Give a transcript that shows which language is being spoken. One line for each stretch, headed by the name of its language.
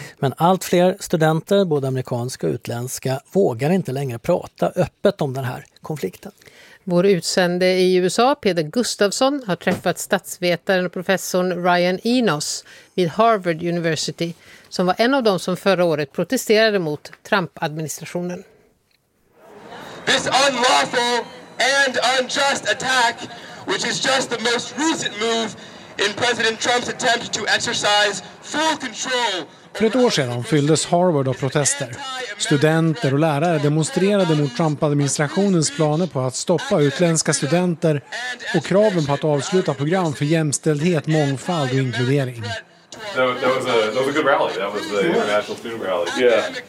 Swedish: Men allt fler studenter, både amerikanska och utländska, vågar inte längre prata öppet om den här konflikten. Vår utsände i USA, Peder Gustafsson, har träffat statsvetaren och professorn Ryan Enos vid Harvard University, som var en av dem som förra året protesterade mot Trump-administrationen.
English: This unlawful and unjust attack, which is just the most recent move in President Trump's attempt to exercise full control.
Swedish: För ett år sedan fylldes Harvard av protester. Studenter och lärare demonstrerade mot Trump-administrationens planer på att stoppa utländska studenter och kraven på att avsluta program för jämställdhet, mångfald och inkludering.
English: That was a good rally. That was an international student rally. Yeah.